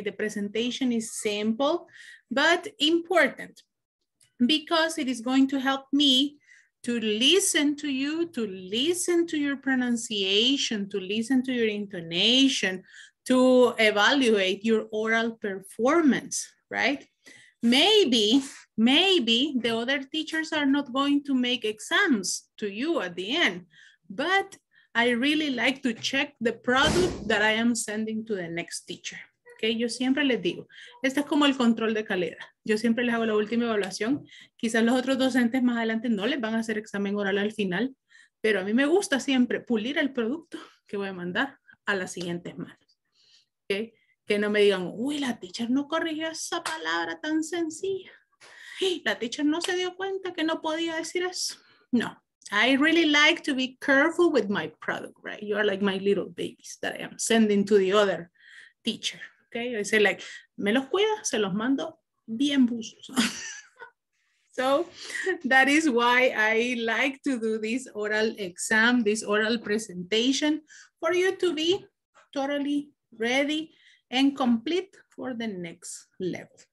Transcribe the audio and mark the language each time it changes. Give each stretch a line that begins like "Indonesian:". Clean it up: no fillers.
English: The presentation is simple, but important because it is going to help me to listen to you, to listen to your pronunciation, to listen to your intonation, to evaluate your oral performance, right? Maybe the other teachers are not going to make exams to you at the end, but I really like to check the product that I am sending to the next teacher.
Spanish: Okay, yo siempre les digo, este es como el control de calidad. Yo siempre les hago la última evaluación. Quizás los otros docentes más adelante no les van a hacer examen oral al final, pero a mí me gusta siempre pulir el producto que voy a mandar a las siguientes manos. Okay, que no me digan, uy, la teacher no corrigió esa palabra tan sencilla. La teacher no se dio cuenta que no podía decir eso.
English: No, I really like to be careful with my product, right? You are like my little babies that I am sending to the other teacher.
Spanish: Okay,
English: I say like,
Spanish: me los cuida, se los mando bien buzos.
English: So that is why I like to do this oral exam, this oral presentation, for you to be totally ready and complete for the next level.